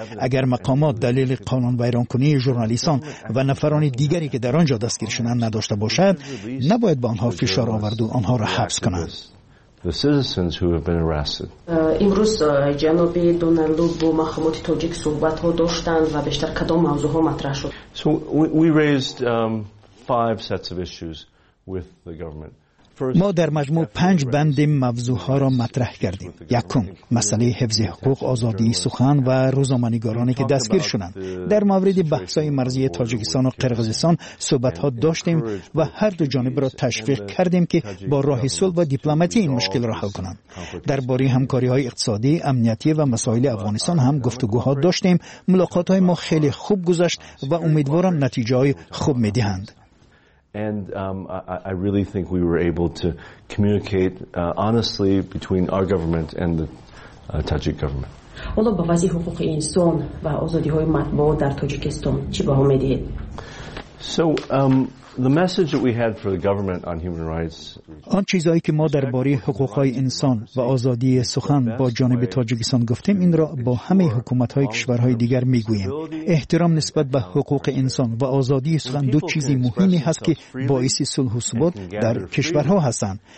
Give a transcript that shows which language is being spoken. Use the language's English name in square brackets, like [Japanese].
[Persian] اگر مقامات دلیل قانون ویرانکنی ژورنالیستان و نفران دیگری که در آنجا دستگیر شدند نداشته باشد، نباید به آنها فشار آورد و آنها را حبس کنند. [English] The citizens who have been arrested. [Persian] امروز جناب دونالد با محمود تاجیک صحبت ها داشتند و بیشتر کدام موضوع ها مطرح شد؟ [English] So we raised five sets of issues with the government. [Persian] ما در مجموع پنج بند موضوع ها را مطرح کردیم. یکم، مسئله حفظ حقوق، آزادی سخن و روزنامه‌نگارانی که دستگیر شدند. در مورد بحث‌های مرزی تاجیکستان و قرقیزستان صحبت‌ها داشتیم و هر دو جانب را تشویق کردیم که با راه صلح و دیپلماتی این مشکل را حل کنند. درباره همکاری‌های اقتصادی، امنیتی و مسائل افغانستان هم گفتگوها داشتیم. ملاقات‌های ما خیلی خوب گذشت و امیدوارم نتایج خوب می‌دهند. [English] And I really think we were able to communicate honestly between our government and the Tajik government. [Persian] حالا با وضعیت حقوق انسان و آزادی های مطبوعات در تاجیکستان چی باهم می‌دهید؟ [English] So The message that we had for the government on human rights. [Persian] آن چیزایی که ما درباره حقوق‌های انسان و آزادی سخن با جانب تاجیکستان گفتیم، این را با همه حکومت‌های کشورهای دیگر می‌گوییم. احترام نسبت به حقوق انسان و آزادی سخن دو چیزی مهمی هست که باعث صلح و ثبات در کشورها هستند.